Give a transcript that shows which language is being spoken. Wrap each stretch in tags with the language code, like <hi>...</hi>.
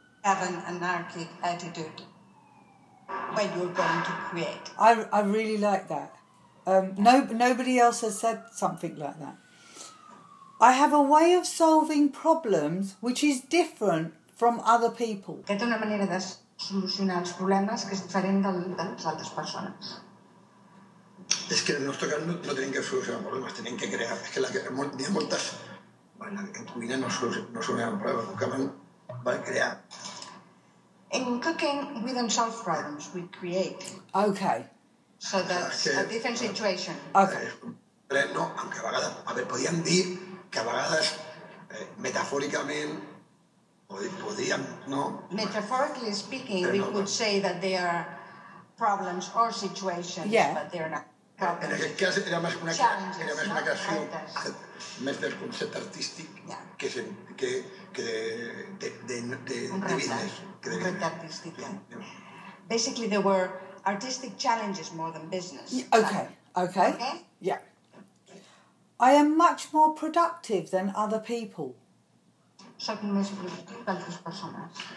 <en>Have an anarchic attitude. When you're going to create. I really like that. Nobody else has said something like that. I have a way of solving problems which is different from other people.</en> <ca>Que té una manera de solucionar els problemes que és diferent de les altres persones. És que en el nostre cas no tenim que solucionar problemes, tenim que crear. És que hi ha moltes... En cuina no solucionem problemes, el que van crear.</ca> <en>In cooking, we don't solve problems, we create. Okay. So that's a different situation. Okay.</en> <ca>No, aunque a vegades, a ver, podien dir que a vegades metafòricament podien, no?</ca> <en>Metaphorically speaking, we could say that they are problems or situations, yeah. But they're not.</en> <ca>En aquest cas era més una creació, més del concepte artístic que de business. Un repte artístic.</ca> <en>Basically, there were artistic challenges more than business. Okay. Yeah. I am much more productive than other people.</en> <ca>Soc més productiu que altres persones.</ca>